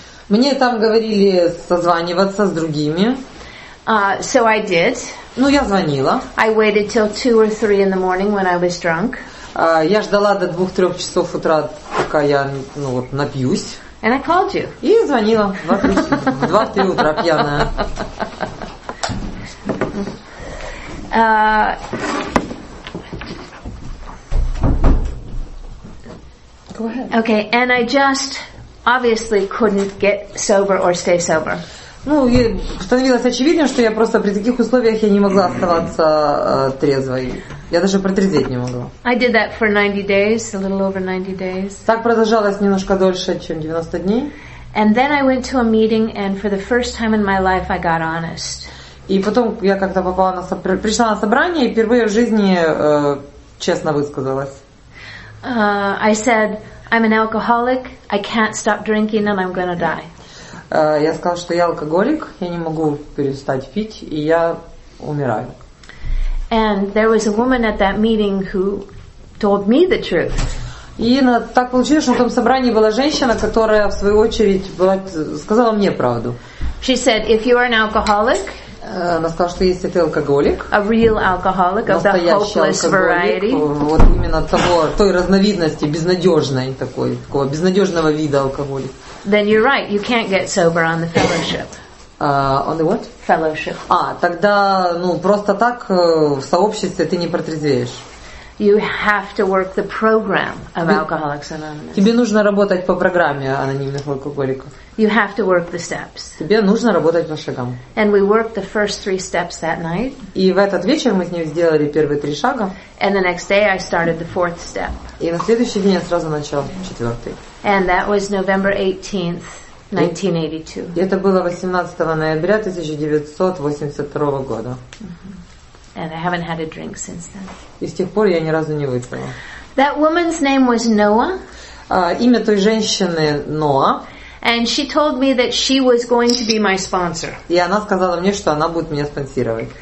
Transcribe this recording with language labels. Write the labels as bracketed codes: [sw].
[ru] Мне там говорили созваниваться с другими. [en] So I did. [ru] Ну, я звонила. [en] I waited till 2 or 3 in the morning when I was drunk. [ru] Я ждала до 2-3 часов утра, пока я, напьюсь. [en] And I called you. [ru] И звонила в 2-3 утра пьяная. [en] Go ahead. Okay, and I just obviously couldn't get sober or stay sober. [ru] Ну, становилось очевидно, что я просто при таких условиях я не могла оставаться трезвой. Я даже протрезветь не могла. [en] I did that for 90 days, a little over 90 days. [ru] Так продолжалось немножко дольше, чем 90 дней. [en] And then I went to a meeting, and for the first time in my life I got honest. [ru] И потом я как-то попала на пришла на собрание и впервые в жизни честно высказалась. [en] I said, I'm an alcoholic, I can't stop drinking, and I'm gonna die. [ru] Я сказала, что я алкоголик, я не могу перестать пить, и я умираю. [en] And there was a woman at that meeting who told me the truth. [ru] И так получилось, что в том собрании была женщина, которая в свою очередь сказала мне правду. [en] She said, if you are an alcoholic, [ru] Она сказала, что если ты алкоголик, [en] a real alcoholic of the hopeless variety, [ru] вот именно того, той разновидности безнадежной такой, такого безнадежного вида алкоголик, [en] then you're right, you can't get sober on the fellowship. On the what? Fellowship. [ru] А, тогда, ну, просто так в сообществе ты не протрезвеешь. [en] You have to work the program of Alcoholics Anonymous. [ru] Тебе нужно работать по программе анонимных алкоголиков. [en] You have to work the steps. [ru] Тебе нужно работать по шагам. [en] And we worked the first three steps that night. [ru] И в этот вечер мы с ней сделали первые три шага. [en] And the next day I started the fourth step. [ru] И на следующий день я сразу начал четвертый. [en] And that was November 18th. 1982. [ru] И это было 18 ноября 1982 года. Mm-hmm. [en] And I haven't had a drink since then. [ru] И с тех пор я ни разу не выпила. [en] That woman's name was Noah. [ru] Имя той женщины Ноа. [en] And she told me that she was going to be my sponsor. [ru] И она сказала мне, что она будет меня спонсировать.